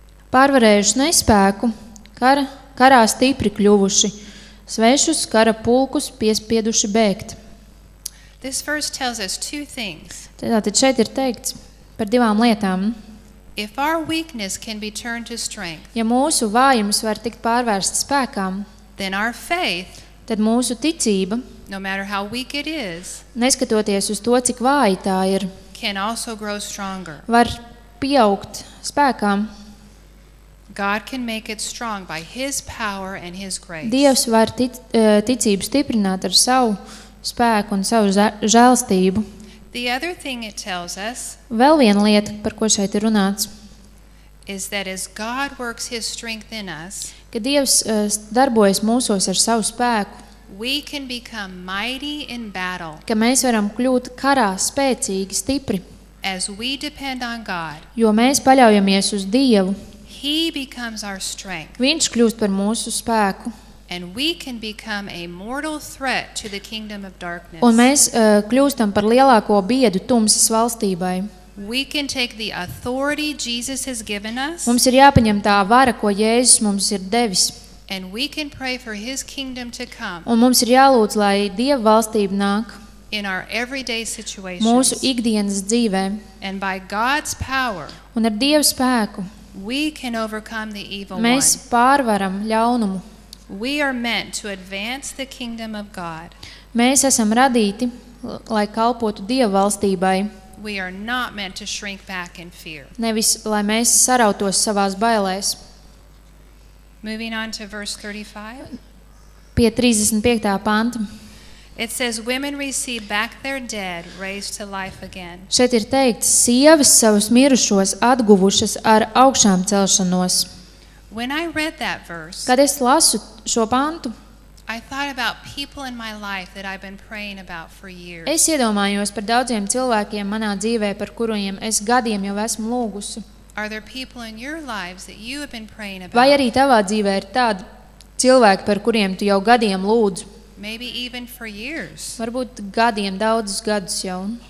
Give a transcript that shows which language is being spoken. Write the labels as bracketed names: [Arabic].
[Latvian] Pārvarējuši nespēku, karā stipri kļuvuši, svešus kara pulkus piespieduši bēgt. [English] This verse tells us two things. [Latvian] Tātad šeit ir teikts par divām lietām. [English] If our weakness can be turned to strength, [Latvian] ja mūsu vājums var tikt pārvērsts spēkām, [English] then our faith, [Latvian] tad mūsu ticība, [English] no matter how weak it is, [Latvian] neskatoties uz to, cik vāja tā ir, [English] can also grow stronger. [Latvian] Var pieaugt spēkām. [English] God can make it strong by his power and his grace. [Latvian] Dievs var ticību stiprināt ar savu spēku un savu žēlstību. [English] The other thing it tells us, [Latvian] vēl viena lieta, par ko šeit ir runāts, [English] is that as God works his strength in us, [Latvian] ka Dievs darbojas mūsos ar savu spēku, [English] we can become mighty in battle, [Latvian] ka mēs varam kļūt karā spēcīgi, stipri, [English] as we depend on God, [Latvian] jo mēs paļaujamies uz Dievu, [English] he becomes our strength, [Latvian] viņš kļūst par mūsu spēku, [English] and we can become a mortal threat to the kingdom of darkness. [Latvian] Un mēs kļūstam par lielāko biedu tumsas valstībai. [English] We can take the authority Jesus has given us. [Latvian] Mums ir jāpaņem tā vara, ko Jēzus mums ir devis. [English] And we can pray for his kingdom to come. [Latvian] Un mums ir jālūdz, lai Dieva valstība nāk. [English] In our everyday situations. [Latvian] Mūsu ikdienas dzīvē. [English] And by God's power. [Latvian] Un ar Dieva spēku. [English] We can overcome the evil one. [Latvian] Mēs pārvaram ļaunumu. [English] We are meant to advance the kingdom of God. [Latvian] Mēs esam radīti, lai kalpotu Dieva valstībai. [English] We are not meant to shrink back in fear. [Latvian] Nevis, lai mēs sarautos savās bailēs. [English] Moving on to verse 35. [Latvian] Pie 35. panta. [English] It says, women receive back their dead, raised to life again. [Latvian] Šeit ir teikts, sievas savus mirušos atguvušas ar augšām celšanos. [English] When I read that verse, [Latvian] kad es lasu šo pantu, [English] I thought about people in my life that I've been praying about for years. [Latvian] Es iedomājos par daudziem cilvēkiem manā dzīvē, par kuriem es gadiem jau esmu lūgusi. [English] Are there people in your lives that you have been praying about? [Latvian] Vai arī tavā dzīvē ir tādi cilvēki, par kuriem tu jau gadiem lūdzu? [English] Maybe even for years. [Latvian] Varbūt gadiem, daudzus gadus jau.